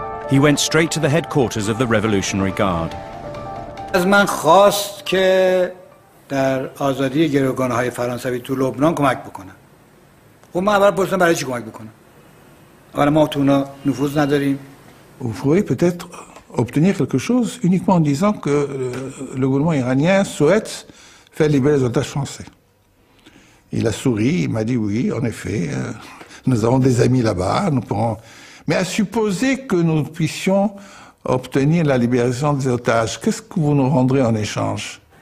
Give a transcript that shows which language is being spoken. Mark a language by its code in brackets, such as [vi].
[en] He went straight to the headquarters of the Revolutionary Guard. [fa] از من خواست که در آزادی گروگان‌های فرانسوی تو لبنان کمک بکنم. خب من اول پرسیدم برای چی کمک بکنم؟ حالا ما تو اونا نفوذ نداریم. [fr] Vous pourriez peut-être obtenir quelque chose uniquement en disant que le gouvernement iranien souhaite faire libérer les otages français. Il a souri, il m'a dit oui, en effet, nous avons des amis là-bas, nous pourrons. Mais à supposer que nous puissions obtenir la libération des otages, qu'est-ce que vous nous rendrez en échange?